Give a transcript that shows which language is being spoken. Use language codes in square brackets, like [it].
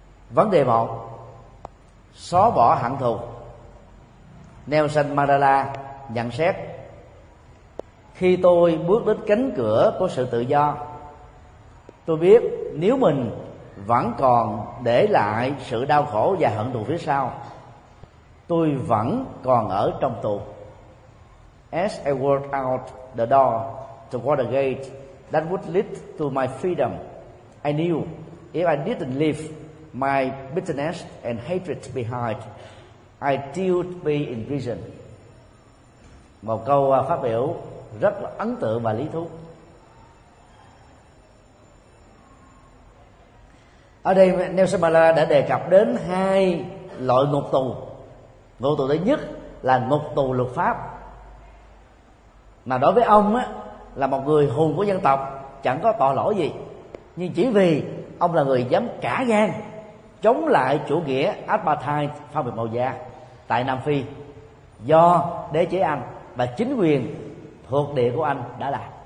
[vi] Vấn đề 1, xóa bỏ hận thù. Nelson Mandela nhận xét: khi tôi bước đến cánh cửa của sự tự do, tôi biết nếu mình vẫn còn để lại sự đau khổ và hận thù phía sau, tôi vẫn còn ở trong tù. [en] As I walked out the door toward the gate that would lead to my freedom, I knew if I didn't leave my bitterness and hatred behind, I still be in prison. [vi] Một câu phát biểu rất là ấn tượng và lý thú. Ở đây Nelson Mandela đã đề cập đến hai loại ngục tù. Ngục tù thứ nhất là ngục tù luật pháp, mà đối với ông á, là một người hùng của dân tộc chẳng có tội lỗi gì, nhưng chỉ vì ông là người dám cả gan chống lại chủ nghĩa apartheid phân biệt màu da tại Nam Phi do đế chế Anh và chính quyền thuộc địa của Anh đã làm.